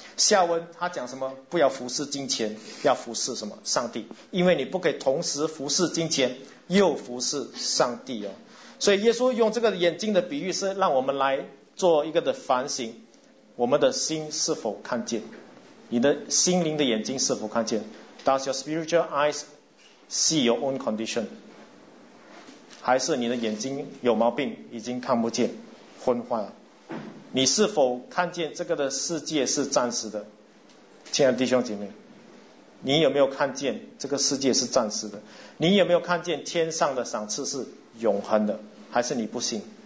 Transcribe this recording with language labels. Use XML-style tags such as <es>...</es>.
<zh>夏文他讲什么？不要服侍金钱，要服侍什么？上帝。因为你不可以同时服侍金钱又服侍上帝哦。所以耶稣用这个眼睛的比喻是让我们来做一个的反省，我们的心是否看见，你的心灵的眼睛是否看见？</zh> <en>Does your spiritual eyes see your own condition?</en> <zh>还是你的眼睛有毛病，已经看不见，昏花了？你是否看见这个的世界是暂时的？亲爱的弟兄姐妹，你有没有看见这个世界是暂时的？你有没有看见天上的赏赐是永恒的？还是你不信？</zh>